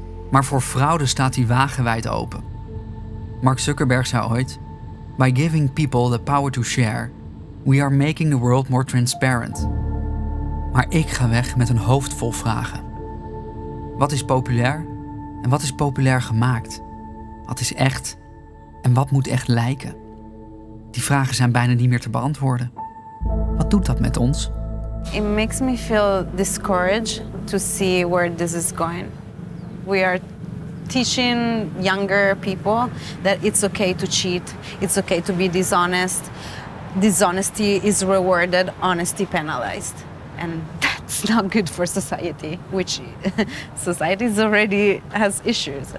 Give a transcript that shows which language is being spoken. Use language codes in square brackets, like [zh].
[nl] Maar voor fraude staat die wagenwijd open. Mark Zuckerberg zei ooit: [en] "By giving people the power to share, we are making the world more transparent." [nl] Maar ik ga weg met een hoofd vol vragen. Wat is populair? En wat is populair gemaakt? Wat is echt? En wat moet echt lijken? Die vragen zijn bijna niet meer te beantwoorden. Wat doet dat met ons? [en] It makes me feel discouraged to see where this is going. We are teaching younger people that it's okay to cheat, it's okay to be dishonest. Dishonesty is rewarded, honesty penalized. And that's not good for society, which society already has issues.